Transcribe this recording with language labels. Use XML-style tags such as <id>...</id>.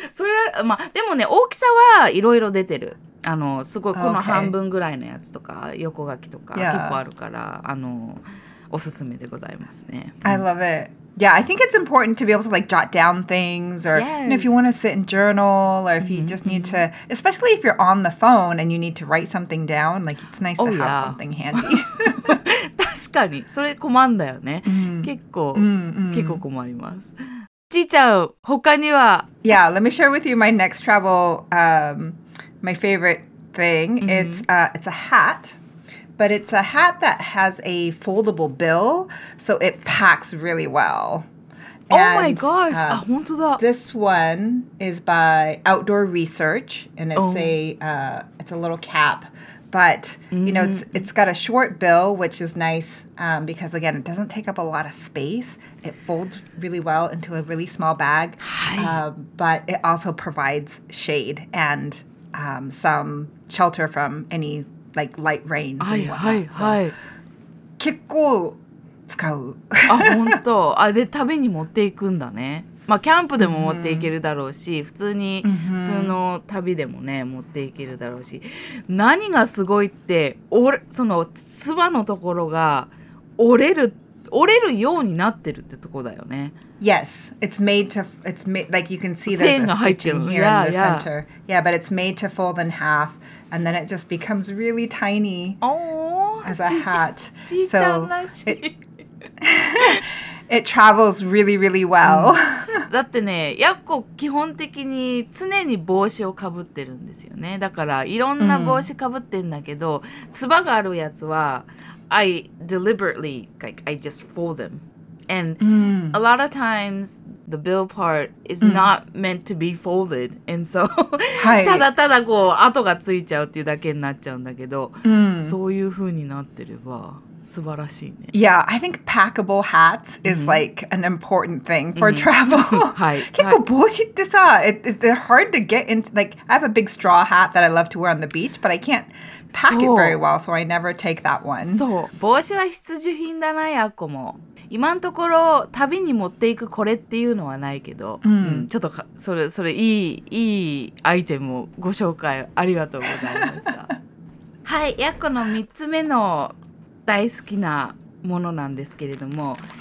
<ja>それはまあでもね大きさはいろいろ出てる。あのすごいこの半分ぐらいのやつとか横書きとか結構あるから、</ja> <en>yeah.</en> <ja>あのおすすめでございますね。</ja> <en>I love it. Yeah, I think it's important to be able to like jot down things or、 yes. you know, if you want to sit and journal or if you、mm-hmm. just need to, especially if you're on the phone and you need to write something down, like it's nice、 oh, to have、 yeah. something handy.</en> <ja>確かに。それ困んだよね。結構、結構困ります。ちーちゃん、他には</ja> <en>Yeah, let me share with you my next travel,、my favorite thing.、Mm-hmm. It's a hat. But it's a hat that has a foldable bill, so it packs really well. And, oh my gosh, ah,</en> <ja>本当だ。</ja> <en>This one is by Outdoor Research, and it's、oh. It's a little cap. But,、mm-hmm. you know, it's got a short bill, which is nice、because, again, it doesn't take up a lot of space. It folds really well into a really small bag. But it also provides shade and、some shelter from anyLike light rain.</en> <ja>はいはいはい。結構使う。あ、本当。あ、で、旅に持っていくんだね。まあ、キャンプでも持っていけるだろうし、普通に、普通の旅でもね、持っていけるだろうし。何がすごいって、その、つばのところが折れるようになってるってとこだよね。</ja> <en>Yes, it's made to, it's made, like you can see there's a stitching here in the center. Yeah, but it's made to fold in half. And then it just becomes really tiny、 oh, as a hat. So it travels really, really well.、</en> <ja>うん、だってね、ヤッコ基本的に常に帽子をかぶってるんですよね。だからいろんな帽子かぶってんだけど、つば、うん、があるやつは</ja> <en>I deliberately, like, I just fold them. And、うん、a lot of times... The bill part is not meant to be folded. And so,</en> <ja>ただただこう、跡がついちゃうっていうだけになっちゃうんだけど、そういう風になってれば素晴らしいね。</ja> <en>Yeah, I think packable hats is like an important thing for travel.</en> <ja>結構帽子ってさ、</ja> <en>they're hard to get into. Like, I have a big straw hat that I love to wear on the beach, but I can't pack it very well, so I never take that one.</en> <ja>そう、帽子は必需品だな、ヤッコも。今のところ旅に持っていくこれっていうのはないけど、ちょっとそれいいアイテムをご紹介ありがとうございました。はい、ヤッコの3つ目の大好きなものなんですけれども、</ja>